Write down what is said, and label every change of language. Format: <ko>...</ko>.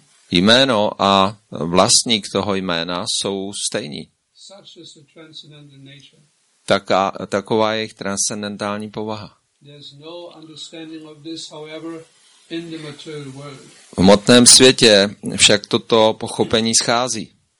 <cs>Jméno a vlastník toho jména jsou stejní.</cs> <en>Such is the transcendental nature.</en> <cs>Taková je jejich transcendentální povaha.</cs> <en>There's no understanding of this, however, in the material world.</en> <cs>V hmotném světě však toto pochopení schází.</cs>